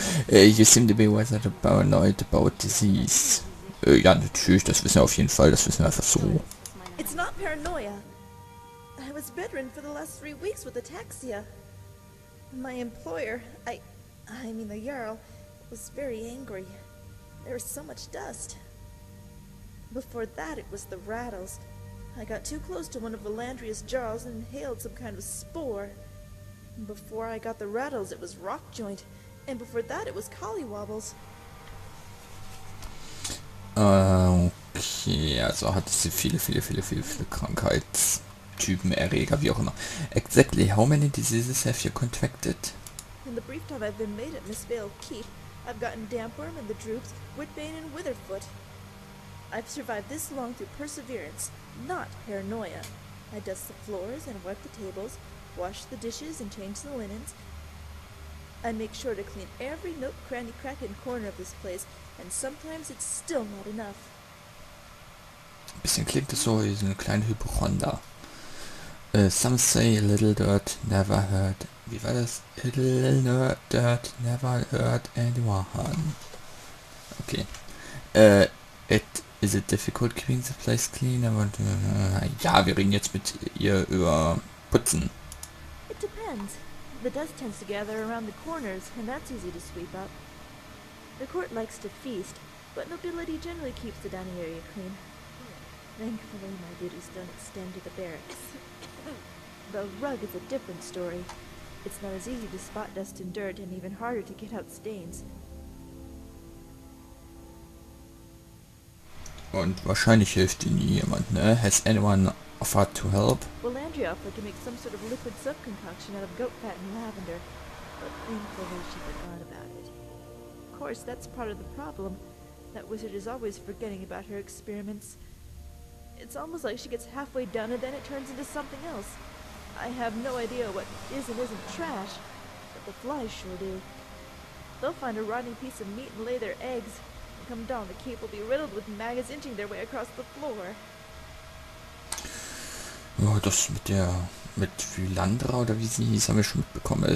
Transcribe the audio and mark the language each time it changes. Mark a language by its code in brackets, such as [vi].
[en] You seem to be weathered and paranoid about disease. [de] Ja, natürlich, das wissen wir auf jeden Fall, das wissen wir einfach so. [en] It's not paranoia. I was bedridden for the last 3 weeks with ataxia. My employer, I mean the Jarl, was very angry. There was so much dust. Before that, it was the rattles. I got too close to one of Valandria's jaws and inhaled some kind of spore. Before I got the rattles, it was rock joint. And before that, it was collie wobbles. [de] Okay, also hatte sie viele Krankheitstypen, Erreger, wie auch immer. [en] Exactly, how many diseases have you contracted? In the brief time I've been made at Miss Vale Keep, I've gotten dampworm and the droops, whitbane and witherfoot. I've survived this long through perseverance, not paranoia. I dust the floors and wipe the tables, wash the dishes and change the linens. I make sure to clean every nook, cranny, crack and corner of this place. And sometimes it's still not enough. [de] Ein bisschen klingt es so wie so eine kleine Hypochonder. [en] Some say a little dirt never hurt. [de] Wie war das? [en] A little dirt never hurt anyone. Okay. It is it difficult keeping the place clean? [de] Ja, wir reden jetzt mit ihr über Putzen. [en] It depends. The dust tends to gather around the corners, and that's easy to sweep up. The court likes to feast, but nobility generally keeps the dining area clean. Thankfully, my duties don't extend to the barracks. The rug is a different story. It's not as easy to spot dust and dirt, and even harder to get out stains. [de] Und wahrscheinlich hilft ihnen jemand, ne? [en] Has anyone offered to help? Well, Andrea offered to make some sort of liquid sub-concoction out of goat fat and lavender. But thankfully, she forgot about it. Of course, that's part of the problem. That wizard is always forgetting about her experiments. It's almost like she gets halfway done and then it turns into something else. I have no idea what is and isn't trash, but the flies sure do. They'll find a rotting piece of meat and lay their eggs. Come down, the keep will be riddled with maggots inching their way across the floor. [de] Oh, das mit der... mit Vylandra oder wie sie hieß, haben wir schon mitbekommen.